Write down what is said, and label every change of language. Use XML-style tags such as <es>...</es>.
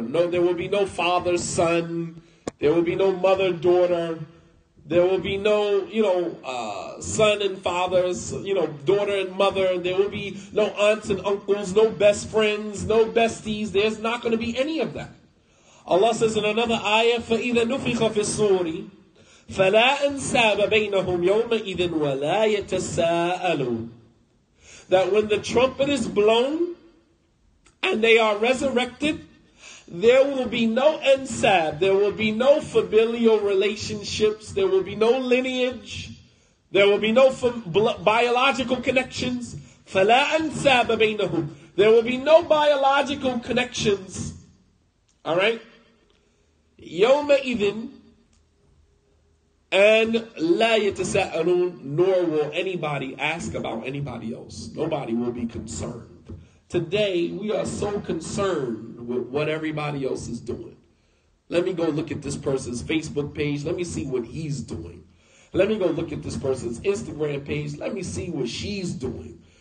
<en>No, there will be no father, son. There will be no mother, daughter. There will be no, you know, son and fathers, you know, daughter and mother. There will be no aunts and uncles, no best friends, no besties. There's not going to be any of that. Allah says in another ayah,</en> <ar>فَإِذَا نُفِخَ فِي الصُّورِ فَلَا أَنْسَابَ بَيْنَهُمْ يَوْمَئِذٍ وَلَا يَتَسَاءَلُونَ.</ar> <en>That when the trumpet is blown and they are resurrected, there will be no ansab, there will be no familial relationships, there will be no lineage, there will be no biological connections.</en> <ar>فَلَا أَنْسَابَ بَيْنَهُمْ.</ar> <en>There will be no biological connections. Alright?</en> <ar>يَوْمَئِذٍ and لَا يَتَسَأَلُونَ.</ar> <en>Nor will anybody ask about anybody else. Nobody will be concerned. Today, we are so concerned with what everybody else is doing. Let me go look at this person's Facebook page. Let me see what he's doing. Let me go look at this person's Instagram page. Let me see what she's doing.</en>